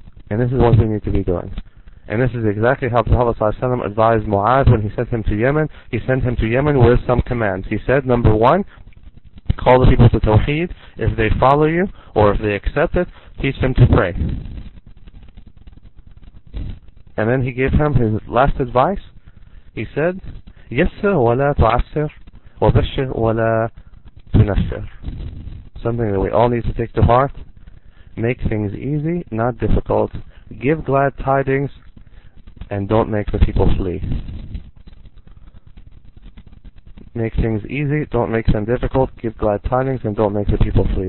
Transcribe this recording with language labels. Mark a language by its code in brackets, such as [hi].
[en] And this is what we need to be doing. And this is exactly how the Prophet ﷺ advised Mu'adh when he sent him to Yemen. He sent him to Yemen with some commands. He said, number one, call the people to Tawheed. If they follow you or if they accept it, teach them to pray. And then he gave him his last advice. [ar] He said, يَسِّرْ وَلَا تُعَسِّرْ وَبَشِّرْ وَلَا تُنَشِّرْ. [en] Something that we all need to take to heart. Make things easy, not difficult. Give glad tidings, and don't make the people flee. Make things easy, don't make them difficult. Give glad tidings, and don't make the people flee.